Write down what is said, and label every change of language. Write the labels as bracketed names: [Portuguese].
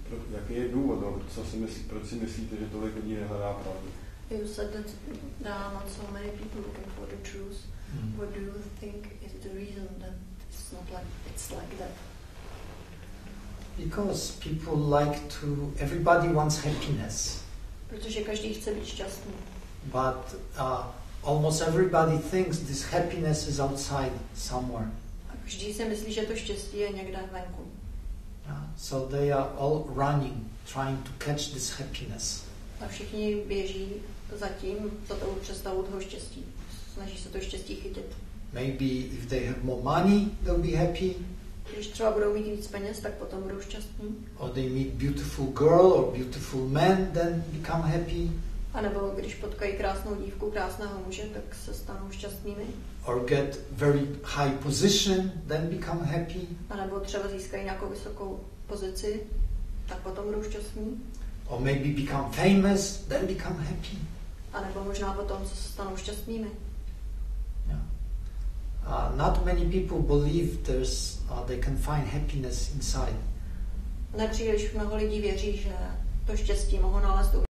[Czech] Jaký je důvod, co si myslí, proč si myslíte, že tolik lidí nehledá pravdu? [English] You said that there are not so many people looking for the truth. Mm-hmm. What do you think is the reason that it's not like it's like that? Because people like to, everybody wants happiness. [Czech] Protože každý chce být šťastný. [English] But almost everybody thinks this happiness is outside somewhere. [Czech] A každý si myslí, že to štěstí je někde venku. [English] So they are all running, trying to catch this happiness. [Czech] A všichni běží za tím, za tou představou toho štěstí. Snaží se to štěstí chytit. [English] Maybe if they have more money, they'll be happy. [Czech] Když třeba budou mít víc peněz, tak potom budou šťastní. [English] Or they meet beautiful girl or beautiful man, then become happy. [Czech] A nebo když potkají krásnou dívku, krásného muže, tak se stanou šťastnými. [English] Or get very high position, then become happy. [Czech] A nebo třeba získají nějakou vysokou pozici, tak potom budou šťastní. [English] Or maybe become famous, then become happy. [Czech] A nebo možná potom se stanou šťastnými. [English] Not many people believe there's they can find happiness inside. [Czech] Nepříliš mnoho lidí věří, že to štěstí mohou nalézt u